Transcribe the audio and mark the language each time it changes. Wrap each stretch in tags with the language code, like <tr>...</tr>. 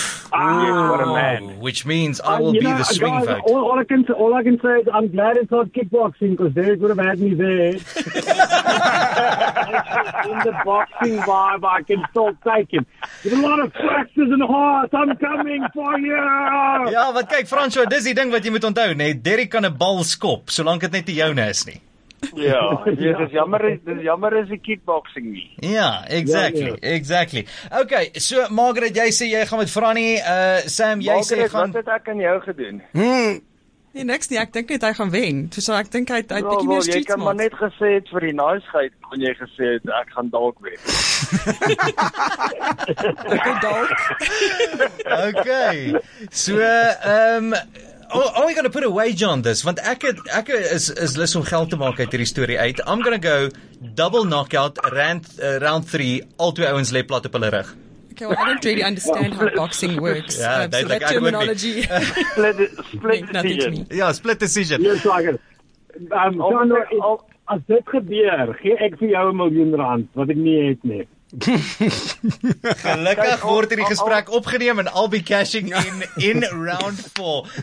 <en>What a man. Which means I will be the swing guys, vote. All I can say is I'm glad it's not kickboxing because Derek would have had me there. In the boxing vibe, I can still take him. With a lot of flashes and hearts, I'm coming for you.</en> <af>Ja, wat kyk, Fransje, dis die ding wat jy moet onthou, nee, Derek kan 'n bal skop, solank dit net die joune is nie. Ja, dis jammer is die kickboxing nie. Ja, exactly, ja, ja. Exactly. Okay, so Margaret, jy sê jy gaan met Franny, Sam, Margaret, jy sê gaan... Margaret, wat het ek aan jou gedoen? Nee, niks nie, ek dink net hy gaan wen. So ek dink hy het bietjie meer</af> <en>streets.</en> <af>Jy kan maar net gesê het vir die naaisgeit, kon jy gesê het, ek gaan dalk wen. Okay, dalk. Okay, so...</af> <en>Oh, are we going to put a wager on this?</en> <af>Want ek is lus om geld te maak uit hierdie story uit.</af> <en>I'm going to go double knockout, round 3,</en> <af>al twee ouens lê plat op hulle rug.</af> <en>Okay, well, I don't really understand how boxing works. Yeah, so that terminology... split decision. Yeah, split decision.</en> <af>Yes, as dit gebeur, gee ek vir jou 1 miljoen rand, wat ek nie het nie. Gelukkig word hierdie gesprek opgeneem en</af> <en>I'll be cashing in round 4.</en>